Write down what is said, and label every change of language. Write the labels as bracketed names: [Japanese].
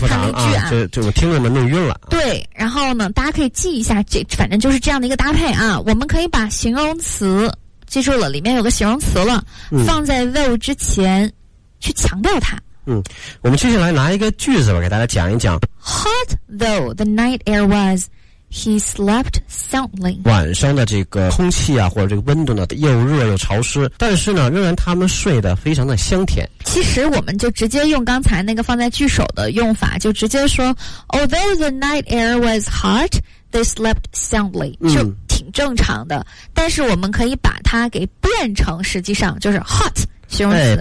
[Chinese] 看那句啊，就我听我们弄晕了。对，然后呢大家可以记一下，这反正就是这样的一个搭配啊，我们可以把形容词记住了，里面有个形容词了，放在 though 之前去强调它。我们接下来拿一个句子吧给大家讲一讲。 [English] Hot though the night air was,He slept soundly. [Chinese] 晚上的这个空气啊或者这个温度呢又热又潮湿，但是呢仍然他们睡得非常的香甜。其实我们就直接用刚才那个放在句首的用法，就直接说 [English] although the night air was hot they slept soundly， [Chinese] 就挺正常的，但是我们可以把它给变成实际上就是 hot形容词，